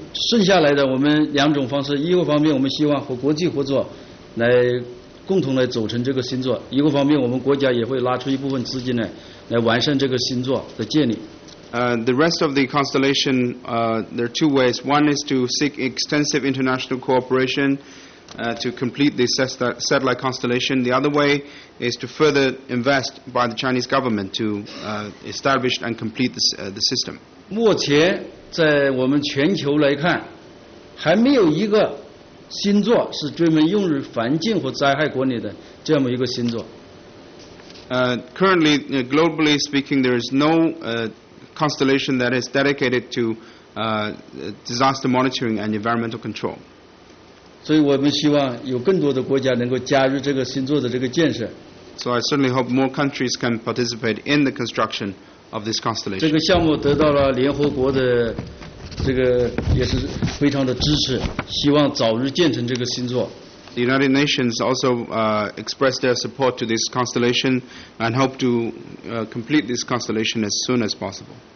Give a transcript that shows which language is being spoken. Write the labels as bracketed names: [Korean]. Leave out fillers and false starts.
[Chinese] 剩下来的我们两种方式，一个方面我们希望和国际合作，来共同来组成这个星座；一个方面我们国家也会拉出一部分资金来完善这个星座的建立。 [English] The rest of the constellation, there are two ways. One is to seek extensive international cooperation, to complete the satellite constellation. The other way is to further invest by the Chinese government to establish and complete the system. [Chinese] 目前在我们全球来看, 还没有一个 [English] Currently, globally speaking, there is no constellation that is dedicated to disaster monitoring and environmental control. So I certainly hope more countries can participate in the construction of this constellation. [Chinese] 这个也是非常的支持，希望早日建成这个星座。 [English] The United Nations also expressed their support to this constellation and hope to complete this constellation as soon as possible.